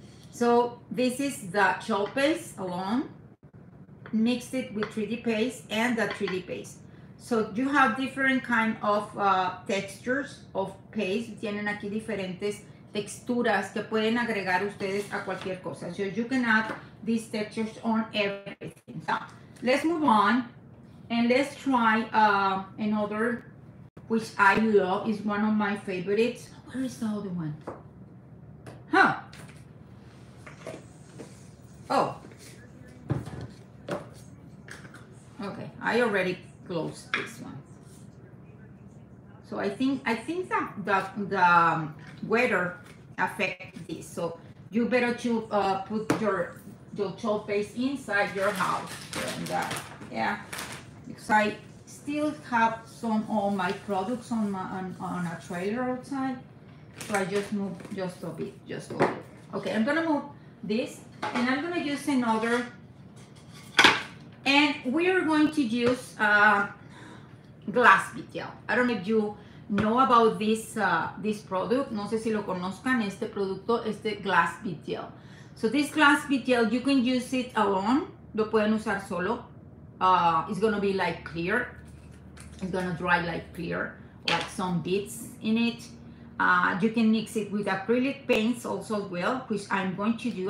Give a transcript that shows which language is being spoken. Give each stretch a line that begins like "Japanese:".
English: So this is the chalk paste alone, mixed it with 3D paste and the 3D paste. So you have different kind of textures of paste.
Spanish: Tienen aquí diferentes texturas que pueden agregar ustedes a cualquier cosa.
English: So you can add these textures on everything. So let's move on and let's try another, which I love, is one of my favorites. Where is the other one? Huh? Oh. Okay, I already closed this one. So I think that the weather affect this, so you better to put your chalk paste inside your house. And yeah, because I still have some of my products on my on a trailer outside, so I just move just a bit. Okay, I'm gonna move this and I'm gonna use another, and we are going to use glass detail. I don't know if you know about this this product.
Spanish: No sé si lo conozcan, este producto, este glass detail.
English: So this glass detail, you can use it alone.
Spanish: Lo pueden usar solo.
English: It's gonna be like clear. It's gonna dry like clear, like some beads in it. You can mix it with acrylic paints also as well, which I'm going to do.